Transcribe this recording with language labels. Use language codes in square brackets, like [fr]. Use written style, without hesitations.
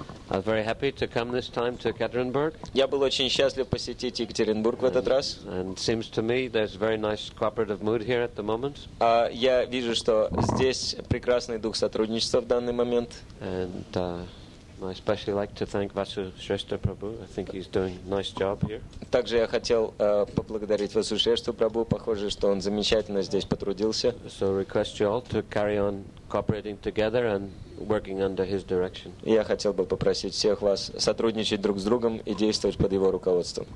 [en] I was very happy to come this time to Ekaterinburg. [ru] Я был очень счастлив посетить Екатеринбург в этот раз. [en] And it seems to me there's very nice cooperative mood here at the moment. [ru] Я вижу, что здесь прекрасный дух сотрудничества в данный момент. [en] And I especially like to thank Vasu Shrestha Prabhu. I think he's doing a nice job here. [ru] Также я хотел поблагодарить Vasu Shrestha Prabhu. Похоже, что он замечательно здесь потрудился. [en] So request you all to carry on cooperating together and working under his direction. [ru] Я хотел бы попросить всех вас сотрудничать друг с другом и действовать под его руководством.